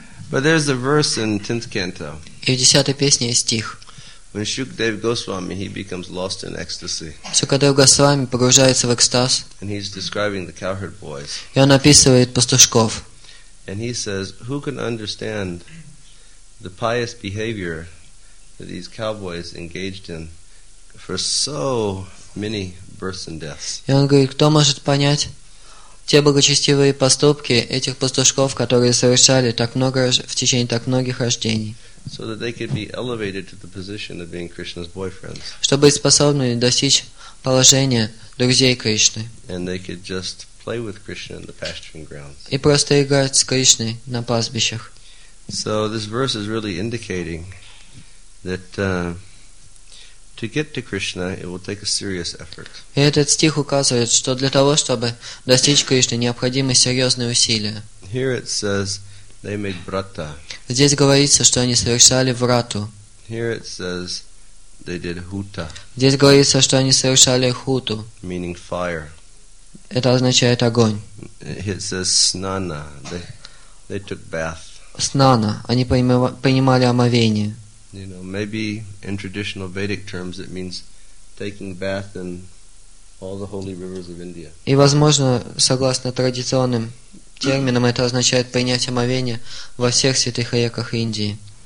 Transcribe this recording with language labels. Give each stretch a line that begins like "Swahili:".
English: But there's a verse in 10th canto.
Russian: И в 10-й песне есть стих.
English: When Shukadev Goswami, he becomes lost in ecstasy.
Russian: Shukadev Goswami погружается в экстаз.
English: And he's describing the cowherd boys.
Russian: И он описывает пастушков.
English: And he says, who can understand the pious behavior that these cowboys engaged in for so many births and deaths?
Russian: И он говорит, кто может понять те благочестивые поступки этих пастушков, которые совершали так много в течение так многих рождений?
English: So that they could be elevated to the position of being Krishna's boyfriends.
Russian: Чтобы способны достичь положения друзей Кришны.
English: And they could just play with Krishna in the pasturing grounds.
Russian: И просто играть с Кришной на пастбищах.
English: So this verse is really indicating that to get to Krishna, it will take a serious effort.
Russian: И этот стих указывает, что для того, чтобы достичь Кришны, необходимы серьезные усилия.
English: Here it says. They made brata.
Russian: Здесь говорится, что они совершали врату.
English: Here it says they did huta.
Russian: Здесь говорится, что они совершали хуту.
English: Meaning fire.
Russian: Это означает огонь.
English: It says snana. They took bath.
Russian: Снана. Они принимали омовение.
English: You know, maybe in traditional Vedic terms it means taking bath in all the holy rivers of India.
Russian: И возможно, согласно традиционным термином это означает принять омовение во всех святых реках Индии.